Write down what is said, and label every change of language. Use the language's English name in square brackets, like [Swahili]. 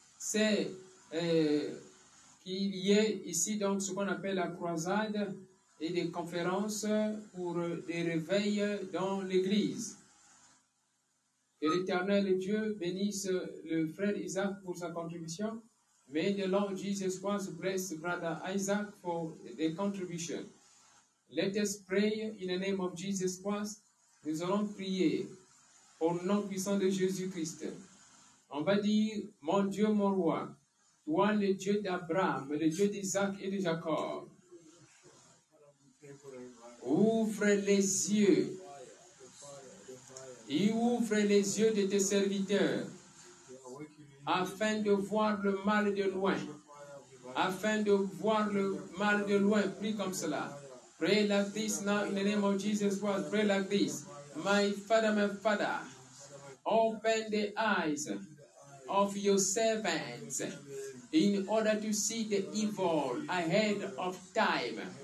[French] c'est qu'il y ait ici donc ce qu'on appelle la croisade et des conférences pour des réveils dans l'Église. Que l'Éternel Dieu bénisse le frère Isaac pour sa contribution. [English] May the Lord Jesus Christ bless brother Isaac for the contribution. Let us pray in the name of Jesus Christ. [French] Nous allons prier au nom puissant de Jésus-Christ. On va dire, mon Dieu, mon roi, toi le Dieu d'Abraham, le Dieu d'Isaac et de Jacob. Ouvre les yeux et ouvre les yeux de tes serviteurs afin de voir le mal de loin, afin de voir le mal de loin. Prie comme cela. [English] Pray like this now in the name of Jesus Christ. Pray like this. My Father, open the eyes of your servants in order to see the evil ahead of time.